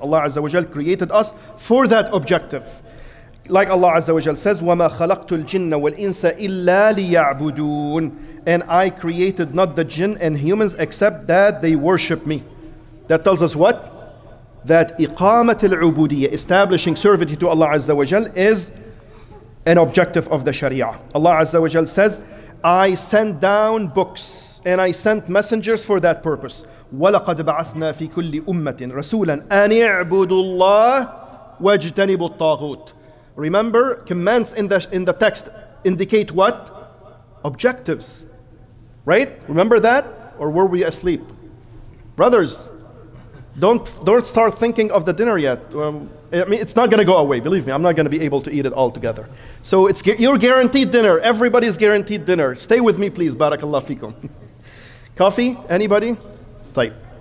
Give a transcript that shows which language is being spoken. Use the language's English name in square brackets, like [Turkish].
[English] Allah Azza wa Jal created us for that objective. Like Allah Azza wa Jal says, [Arabic] وَمَا خَلَقْتُ الْجِنَّ وَالْإِنسَ إِلَّا لِيَعْبُدُونَ [English] And I created not the jinn and humans except that they worship me. That tells us what? That [Arabic] إِقَامَةِ الْعُبُودِيَّ [English] Establishing servitude to Allah Azza wa Jal is an objective of the Sharia. Allah Azza wa Jal says, I sent down books and I sent messengers for that purpose. [Arabic] وَلَقَدْ بَعَثْنَا فِي كُلِّ أُمَّةٍ رَسُولًا أَنِ اعْبُدُوا اللَّهِ وَاجْتَنِبُوا الطَّاغُوتِ [English] Remember, commands in the text indicate what? Objectives. Right? Remember that? Or were we asleep? Brothers, don't start thinking of the dinner yet. It's not going to go away. Believe me, I'm not going to be able to eat it all together. So it's your guaranteed dinner. Everybody's guaranteed dinner. Stay with me, please. Barakallah fikum. Coffee? Anybody? طيب.